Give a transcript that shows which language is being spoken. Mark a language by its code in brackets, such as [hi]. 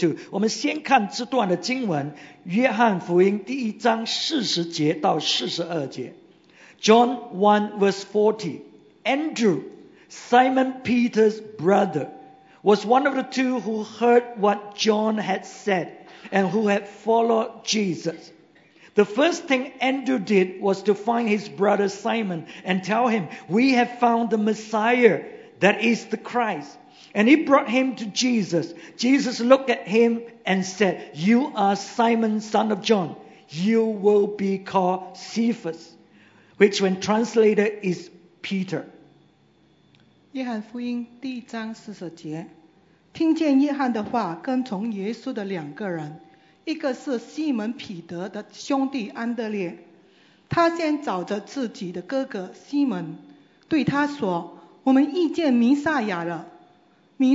[zh] 我们先看这段的经文，约翰福音第一章40节到42节。 [en] John 1 verse 40. Andrew, Simon Peter's brother, was one of the two who heard what John had said and who had followed Jesus. The first thing Andrew did was to find his brother Simon and tell him, "We have found the Messiah, that is the Christ." And he brought him to Jesus. Jesus looked at him and said, "You are Simon, son of John. You will be called Cephas," which when translated is Peter. [zh] 约翰福音第一章40节，听见约翰的话，跟从耶稣的两个人，一个是西门彼得的兄弟安德烈，他先找着自己的哥哥西门，对他说：“我们遇见弥赛亚了。”